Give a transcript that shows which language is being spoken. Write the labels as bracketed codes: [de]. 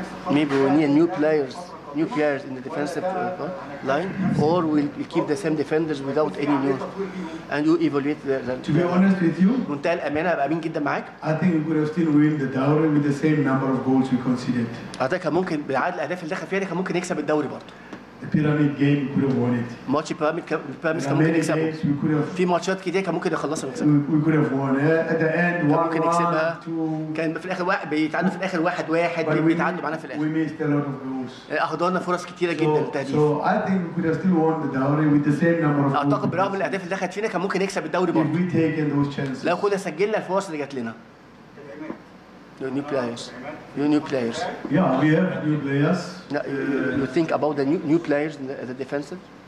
[en] Maybe we need new players in the defensive line, or we'll keep the same defenders without any new, and you evaluate the to be honest with you, I think we could have still win the Dauri with the same number of goals we conceded. [ar] أعتقد ممكن بعد الأهداف اللي دخل فيها كان ممكن يكسب الدوري برضه. [en] The pyramid game could have won it. [ar] ماتش بيراميد كان ممكن يكسبه. في ماتشات كده كان ممكن يخلصها ويكسبها. [en] We could have won at the end. [ar] ممكن يكسبها. كان في الاخر بيتعادل في الاخر 1-1 بيتعادل معانا في الاخر. [en] We missed a lot of goals. [ar] اخدنا فرص كتيره جدا التهديف. [en] So I think we could have still won the Dauri with the same number of goals. [ar] اعتقد برغم الاهداف اللي دخلت فينا كان ممكن يكسب الدوري برضه. [en] If we taken those chances. [ar] لو كنا سجلنا الفرص اللي جات لنا. [en] New players. Yeah, we have new players. No, you think about the new players in the defensive?